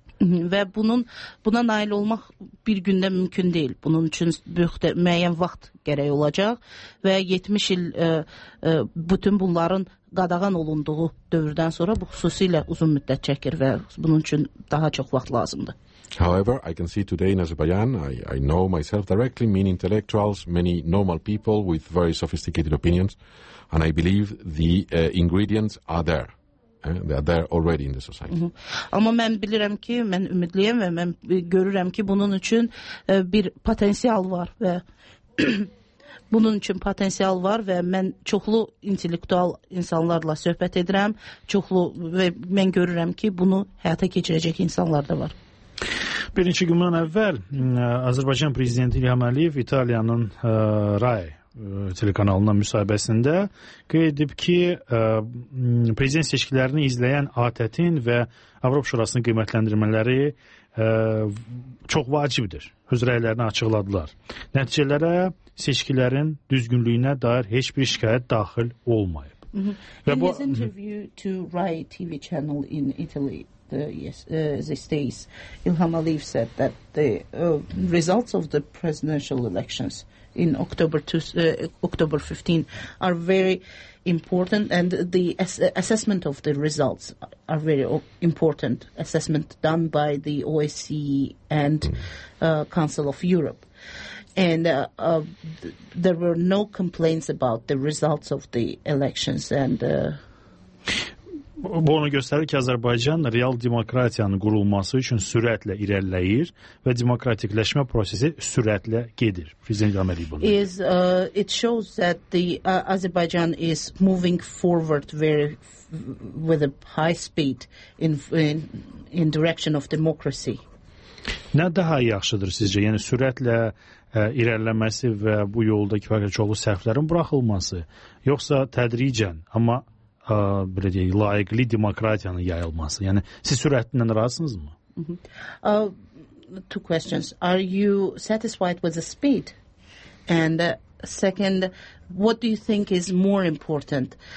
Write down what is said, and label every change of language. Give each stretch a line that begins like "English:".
Azerbaijani: Və buna nail olmaq bir gündə mümkün deyil. Bunun üçün müəyyən vaxt gərək olacaq və 70 il bütün bunların qadağan olunduğu dövrdən sonra bu xüsusilə uzun müddət çəkir və bunun üçün daha çox vaxt lazımdır.
English: However, I can see today in Azerbaijan, I know myself directly, many intellectuals, many normal people with very sophisticated opinions, and I believe the ingredients are there. They are there already in the society.
Azerbaijani: Amma mən bilirəm ki, mən ümidliyəm və mən görürəm ki, bunun üçün bir potensial var və bunun üçün potensial var və mən çoxlu intellektual insanlarla söhbət edirəm, çoxlu və mən görürəm ki, bunu həyata keçirəcək insanlar da var. Bir neçə gündən əvvəl Azərbaycan Prezidenti İlham Əliyev İtaliyanın RAI telekanalına müsahibəsində qeyd edib ki, prezident seçkilərini izləyən ATƏT-in və Avropa Şurasının qiymətləndirmələri çox vacibdir. Öz rəylərini açıqladılar. Nəticələrə seçkilərin düzgünlüyünə dair heç bir şikayət daxil olmayıb. Və bu
English: interview to Rai TV channel in Italy. These days, Ilham Aliyev said that the results of the presidential elections in October 15 are very important, and the assessment of the results are very important. Assessment done by the OSCE and Council of Europe, and there were no complaints about the results of the elections and.
Azerbaijani: Bu onu göstərir ki, Azərbaycan real demokratiyanın qurulması üçün sürətlə irəliləyir və demokratikləşmə prosesi sürətlə gedir. Prezident İlham Əliyev bunu.
English: It shows that the Azerbaijan is moving forward very with a high speed in direction of democracy.
Azerbaijani: Nə daha yaxşıdır sizcə? Yəni sürətlə irəliləməsi və bu yoldakı və çoxlu səhvlərin buraxılması, yoxsa tədricən, amma belə deyək, layiqli demokratiyanın yayılması. Yəni, siz sürətindən razısınız mı?
English: Two questions. Are you satisfied with the speed? And second, what do you think is more important?